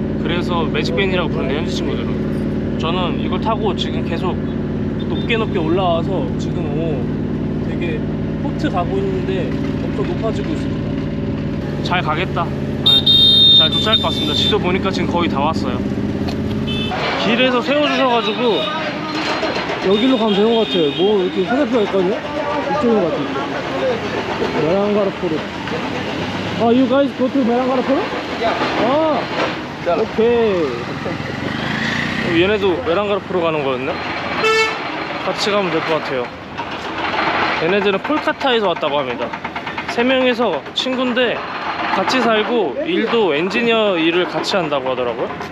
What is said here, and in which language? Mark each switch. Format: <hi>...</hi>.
<ko>그래서 매직벤이라고 부르는 현지 친구들은. 저는 이걸 타고 지금 계속 높게 올라와서 지금 되게 포트 가고 있는데 엄청 높아지고 있습니다. 잘 가겠다. 네. 잘 도착할 것 같습니다. 지도 보니까 지금 거의 다 왔어요. 길에서 세워주셔가지고 여기로 가면 되는 것 같아요. 뭐 이렇게 휴대폰 있거든요? 이쪽인 것 같아요. 메랑가르 포르.</ko> <en>아, you guys go to 메랑가르 포르?</en> <ko>아, 오케이. 얘네도 메랑가르 포르 가는 거였네? 같이 가면 될 것 같아요. 얘네들은 콜카타에서 왔다고 합니다. 세 명이서 친구인데 같이 살고 일도 엔지니어 일을 같이 한다고 하더라고요.</ko>